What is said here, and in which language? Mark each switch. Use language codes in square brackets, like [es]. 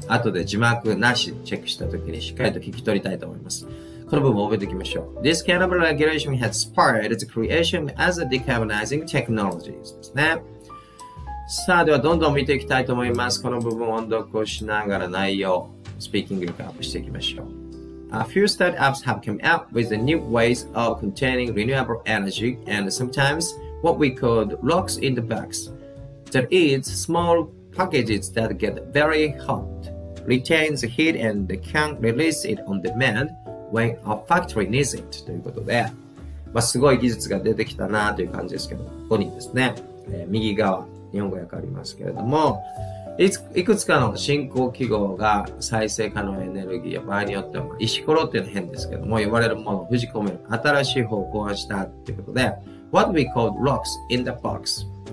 [ja] あとで字幕なしチェックしたときにしっかりと聞き取りたいと思います。この部分を覚えておきましょう。 [en] This kind of regulation has spurred its creation as a decarbonizing technology. [ja] ですね。さあ、ではどんどん見ていきたいと思います。この部分を音読をしながら内容、スピーキング力アップしていきましょう。 [en] A few startups have come out with new ways of containing renewable energy and sometimes what we call rocks in the box. There is small packages that get very hot, retain the heat and can release it on demand when a factory needs it. [ja] ということで、まあ、すごい技術が出てきたなという感じですけど、ここにですね、右側、日本語訳ありますけれども、いくつかの新興企業が再生可能エネルギーや場合によっては石ころっていうのは変ですけども呼ばれるものを封じ込める新しい方を考案したということで [en] What we call rocks in the box、